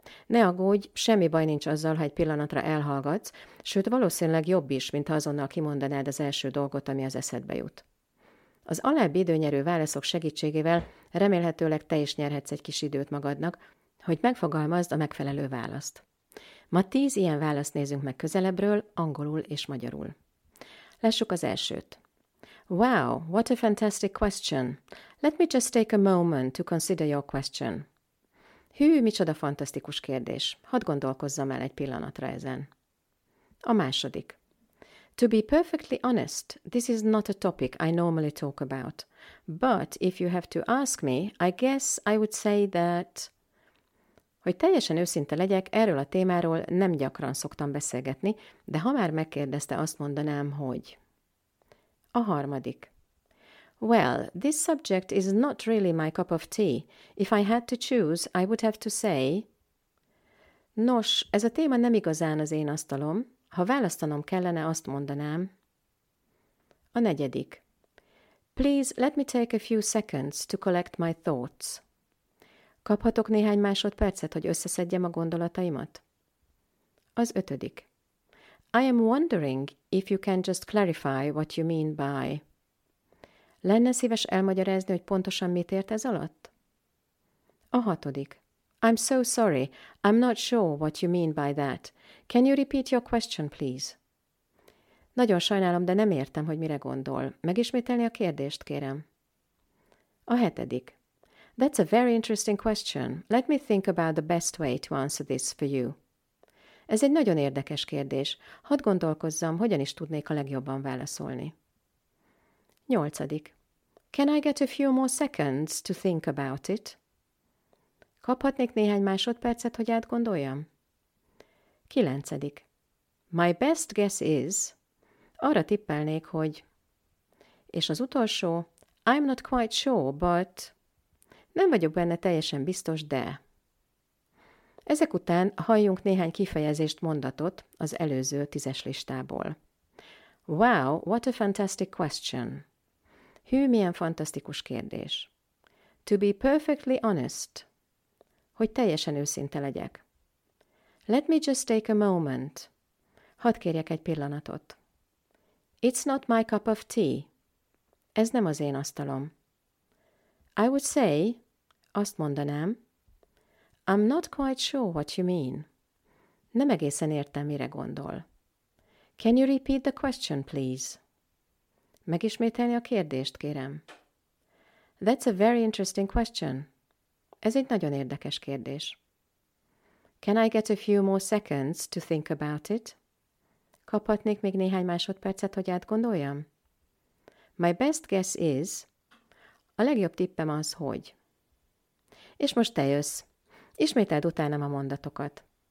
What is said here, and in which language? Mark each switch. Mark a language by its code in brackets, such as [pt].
[hu] Ne aggódj, semmi baj nincs azzal, ha egy pillanatra elhallgatsz, sőt valószínűleg jobb is, mint ha azonnal kimondanád az első dolgot, ami az eszedbe jut. Az alábbi időnyerő válaszok segítségével remélhetőleg te is nyerhetsz egy kis időt magadnak, hogy megfogalmazd a megfelelő választ. Ma 10 ilyen választ nézünk meg közelebbről, angolul és magyarul. Lássuk az elsőt. [en] Wow, what a fantastic question. Let me just take a moment to consider your question. [hu] Hű, micsoda fantasztikus kérdés. Hadd gondolkozzam el egy pillanatra ezen. A második. [en] To be perfectly honest, this is not a topic I normally talk about. But if you have to ask me, I guess I would say that... [hu] Hogy teljesen őszinte legyek, erről a témáról nem gyakran szoktam beszélgetni, de ha már megkérdezte, azt mondanám, hogy... A harmadik. [en] Well, this subject is not really my cup of tea. If I had to choose, I would have to say... [hu] Nos, ez a téma nem igazán az én asztalom. Ha választanom kellene, azt mondanám. A negyedik. [en] Please let me take a few seconds to collect my thoughts. [hu] Kaphatok néhány másodpercet, hogy összeszedjem a gondolataimat? Az ötödik. [en] I am wondering if you can just clarify what you mean by. [hu] Lenne szíves elmagyarázni, hogy pontosan mit ért ez alatt? A hatodik. [en] I'm so sorry. I'm not sure what you mean by that. Can you repeat your question, please? [hu] Nagyon sajnálom, de nem értem, hogy mire gondol. Megismételni a kérdést, kérem. A hetedik. [en] That's a very interesting question. Let me think about the best way to answer this for you. [hu] Ez egy nagyon érdekes kérdés. Hadd gondolkozzam, hogyan is tudnék a legjobban válaszolni. Nyolcadik. [en] Can I get a few more seconds to think about it? [hu] Kaphatnék néhány másodpercet, hogy átgondoljam? Kilencedik. [en] My best guess is. [hu] Arra tippelnék, hogy. És az utolsó. [en] I'm not quite sure, but. [hu] Nem vagyok benne teljesen biztos, de. Ezek után halljunk néhány kifejezést, mondatot az előző tízes listából. [en] Wow, what a fantastic question. [hu] Hű, milyen fantasztikus kérdés. [en] To be perfectly honest. [hu] Hogy teljesen őszinte legyek. [en] Let me just take a moment. [hu] Hadd kérjek egy pillanatot. [en] It's not my cup of tea. [hu] Ez nem az én asztalom. [en] I would say, [hu] azt mondanám, [en] I'm not quite sure what you mean. [hu] Nem egészen értem, mire gondol. [en] Can you repeat the question, please? [hu] Megismételni a kérdést, kérem. [en] That's a very interesting question. [hu] Ez egy nagyon érdekes kérdés. [en] Can I get a few more seconds to think about it? [hu] Kaphatnék még néhány másodpercet, hogy átgondoljam? [en] My best guess is, [hu] a legjobb tippem az, hogy. És most te jössz. Ismételd utánam a mondatokat.